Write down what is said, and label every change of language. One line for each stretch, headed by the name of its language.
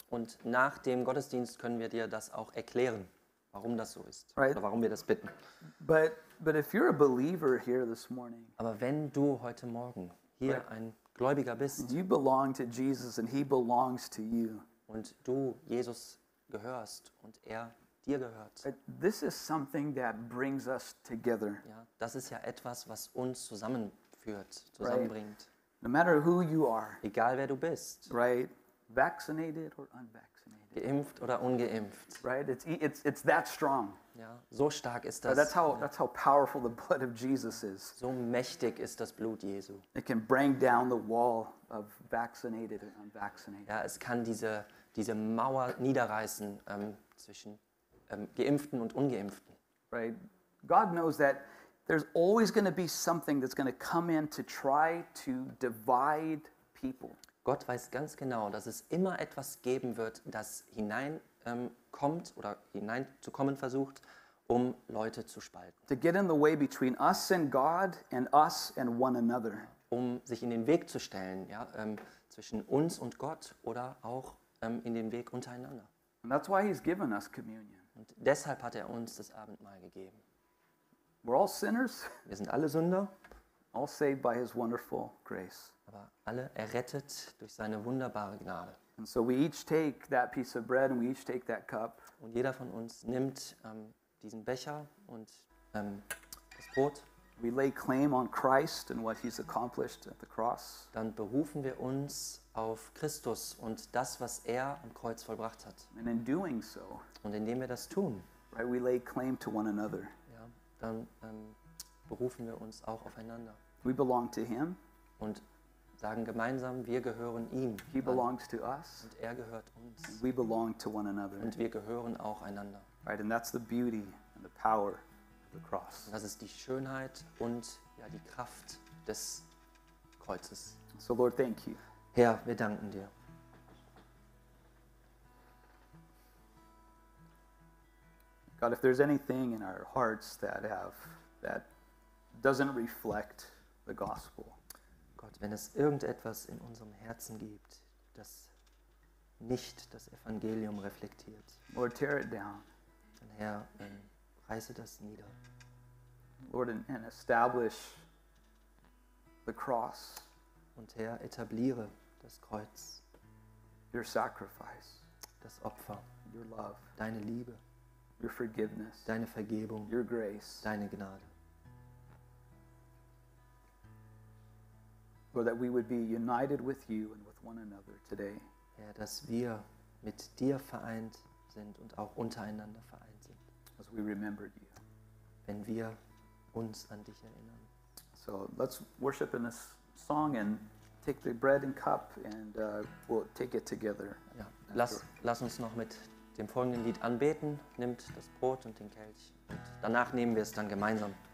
German: Und nach dem Gottesdienst können wir dir das auch erklären, warum das so ist,
English: right,
German: oder warum wir das bitten.
English: But if you're a believer here this morning,
German: aber wenn du heute Morgen hier
English: right,
German: ein Gläubiger bist,
English: you belong to Jesus and he belongs to you.
German: Und du Jesus gehörst und er dir gehört.
English: This is something that brings us together.
German: Ja, das ist ja etwas, was uns zusammenführt, zusammenbringt.
English: Right. No matter who you are.
German: Egal wer du bist.
English: Right. Vaccinated or unvaccinated.
German: Geimpft oder ungeimpft.
English: Right. It's that strong.
German: Ja, so stark ist das.
English: That's how powerful the blood of Jesus is.
German: So mächtig ist das Blut Jesu.
English: It can bring down the wall of vaccinated and unvaccinated.
German: Ja, es kann diese Mauer niederreißen zwischen Geimpften und Ungeimpften.
English: Right. God knows that there's always going to be something that's going to come in to try to divide people.
German: Gott weiß ganz genau, dass es immer etwas geben wird, das hineinkommt oder hineinzukommen versucht, um Leute zu spalten.
English: To get in the way between us and God and us and one another.
German: Um sich in den Weg zu stellen, ja, zwischen uns und Gott oder auch in den Weg untereinander.
English: And that's why he's given us communion.
German: Und deshalb hat er uns das Abendmahl gegeben.
English: We're all sinners.
German: Wir sind alle Sünder.
English: All saved by his wonderful grace.
German: Aber alle errettet durch seine wunderbare Gnade.
English: And so we each take that piece of bread and we each take that cup.
German: Und jeder von uns nimmt diesen Becher und das Brot.
English: We lay claim on Christ and what he's accomplished at the cross.
German: Dann berufen wir uns auf Christus und das, was er am Kreuz vollbracht hat.
English: And in doing so,
German: und indem wir das tun,
English: right, we lay claim to one another.
German: Ja, dann berufen wir uns auch aufeinander.
English: We belong to him.
German: Und sagen gemeinsam, wir gehören ihm.
English: He belongs to us.
German: Und er gehört uns.
English: And we belong to one another.
German: Und wir gehören auch einander.
English: Right, and that's the beauty and the power of the cross.
German: Und das ist die Schönheit und ja, die Kraft des Kreuzes.
English: So Lord, thank you.
German: Herr, wir danken dir.
English: God, if there's anything in our hearts that have that doesn't reflect the gospel.
German: Gott, wenn es irgendetwas in unserem Herzen gibt, das nicht das Evangelium reflektiert.
English: Lord, tear it down.
German: Dann Herr, reiße das nieder.
English: Lord, and establish the cross.
German: Und Herr, etabliere das Kreuz.
English: Your sacrifice.
German: Das Opfer.
English: Your love.
German: Deine Liebe.
English: Your forgiveness.
German: Deine Vergebung.
English: Your grace.
German: Deine Gnade.
English: Lord, that we would be united with you and with one another today.
German: Herr, dass wir mit dir vereint sind und auch untereinander vereint sind.
English: As we remember you.
German: Wenn wir uns an dich erinnern.
English: So let's worship in this song and take the bread and cup and we'll take it together.
German: Ja, lass uns noch mit dem folgenden Lied anbeten, nimmt das Brot und den Kelch und danach nehmen wir es dann gemeinsam.